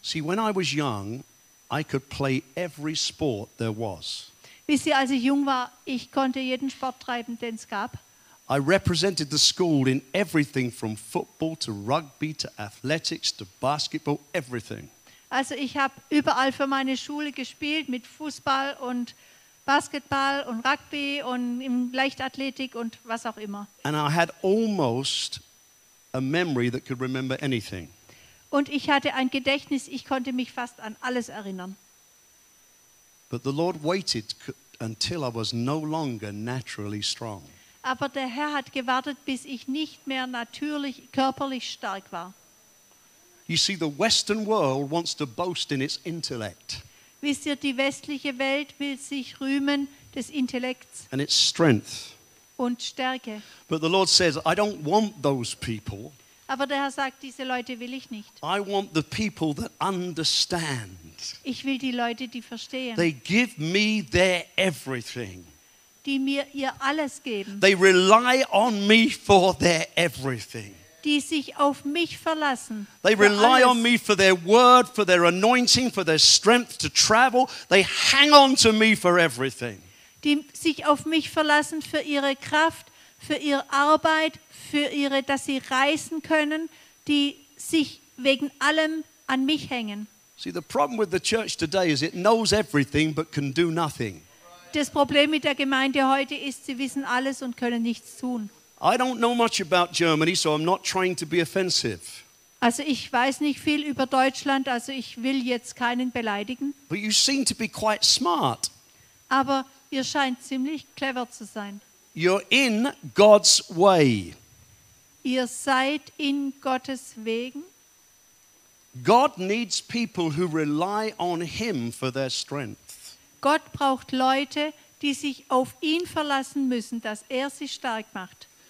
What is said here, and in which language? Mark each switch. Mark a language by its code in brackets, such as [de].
[en] See, when I was young, I could play every sport there was. [de] Wisst ihr, als ich jung war, ich konnte jeden Sport treiben, den es gab. [en] I represented the school in everything from football to rugby to athletics to basketball, everything. [de] Also ich habe überall für meine Schule gespielt, mit Fußball und Basketball und Rugby und im Leichtathletik und was auch immer. [en] And I had almost a memory that could remember anything. [de] Und ich hatte ein Gedächtnis, ich konnte mich fast an alles erinnern. [en] But the Lord waited until I was no longer naturally strong. [de] Aber der Herr hat gewartet, bis ich nicht mehr natürlich körperlich stark war. [en] You see, the Western world wants to boast in its intellect. [de] Wisst ihr, die westliche Welt will sich rühmen des Intellekts. [en] And its strength. [de] Und Stärke. [en] But the Lord says, I don't want those people. [de] Aber der Herr sagt, diese Leute will ich nicht. [en] I want the people that understand. [de] Ich will die Leute, die verstehen. [en] They give me their everything. [de] Die mir ihr alles geben. [en] They rely on me for their everything. [de] Die sich auf mich verlassen. [en] They rely on me for their word, for their anointing, for their strength to travel. They hang on to me for everything. [de] Die sich auf mich verlassen für ihre Kraft, für ihre Arbeit, für ihre, dass sie reisen können. Die sich wegen allem an mich hängen. [en] See, the problem with the church today is it knows everything but can do nothing. [de] Das Problem mit der Gemeinde heute ist, sie wissen alles und können nichts tun. [en] I don't know much about Germany, so I'm not trying to be offensive. [de] Also ich weiß nicht viel über Deutschland, also ich will jetzt keinen beleidigen. [en] But you seem to be quite smart. [de] Aber ihr scheint ziemlich clever zu sein. [en] You're in God's way. [de] Ihr seid in Gottes Wegen. [en] God needs people who rely on him for their strength. [de] Gott braucht Leute, die sich auf ihn verlassen müssen, dass er sie stark macht.